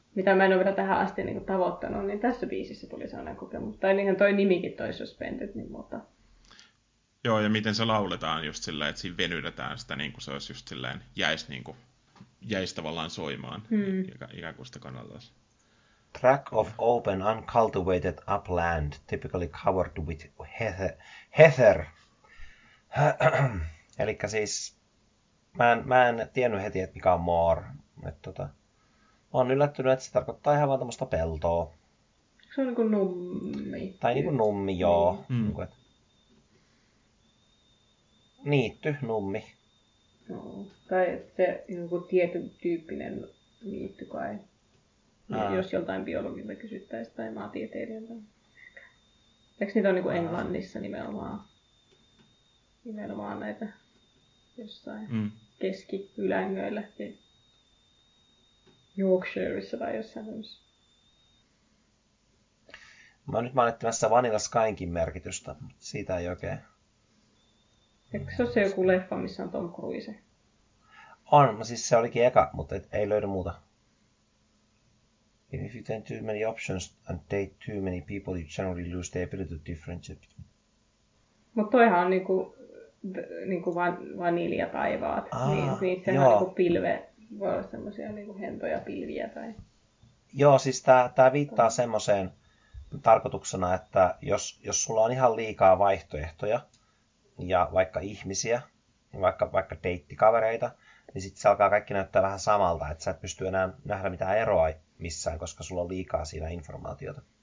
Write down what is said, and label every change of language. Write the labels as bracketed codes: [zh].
[fi] mitä mä en ole vielä tähän asti niinku tavoittanut, niin tässä biisissä tuli semmoinen kokemus. Tai niinhän toi nimikin toi Suspended, niin muuta. Joo, ja miten se lauletaan just silleen, että siinä venytetään sitä, niin kuin se olisi just silleen, jäisi tavallaan soimaan, ikään kuin sitä kannattaisi. [en] Track of open, uncultivated upland, typically covered with heather. [fi] Eli siis, mä en tiennyt heti, että mikä on moor. Mä oon yllättynyt, että se tarkoittaa ihan vaan tämmöistä peltoa. Se on niin kuin nummi. Tai niin kuin nummi, joo. Mm. Niin kuin, että niitty, nummi. No, tai se joku tietyn tyyppinen niitty kai. Jos joltain biologilta kysyttäisiin tai maatieteilijältä. Eikö niitä ole niin Englannissa nimenomaan näitä jossain keski-ylängöillä? Yorkshireissa tai jossain tämmöisessä. Mä oon nyt mainittamassa Vanilla Skyinkin merkitystä, mutta siitä ei oikein. Eikö se ole se joku leffa, missä on Tom Cruise? On, siis se olikin eka, mutta ei löydy muuta. [en] If you take too many options and date too many people, you generally lose the ability to differentiate. [fi] Mut toihan on niinku vaniljataivaat. Niin sehän on niinku pilve. Voi olla semmosia niinku hentoja pilviä tai. Joo, siis tää viittaa semmoiseen tarkoituksena, että jos sulla on ihan liikaa vaihtoehtoja ja vaikka ihmisiä, vaikka deittikavereita, niin sitten se alkaa kaikki näyttää vähän samalta, että sä et pysty enää nähdä mitään eroa missään, koska sulla on liikaa siinä informaatiota.